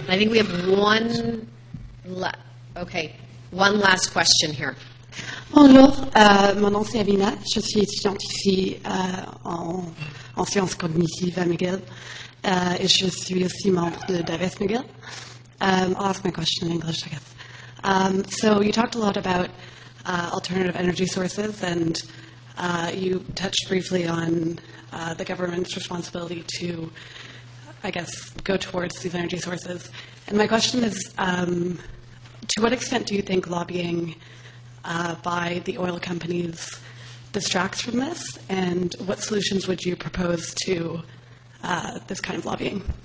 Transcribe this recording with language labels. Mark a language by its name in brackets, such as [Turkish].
[English] I think we have one last question here. [French] Bonjour, mon nom c'est Abina, je suis étudiante ici en sciences cognitives à McGill, et je suis aussi membre de Davis McGill. [English] I'll ask my question in English, I guess. So you talked a lot about alternative energy sources, and you touched briefly on the government's responsibility to, I guess, go towards these energy sources. And my question is, to what extent do you think lobbying by the oil companies distracts from this, and what solutions would you propose to this kind of lobbying?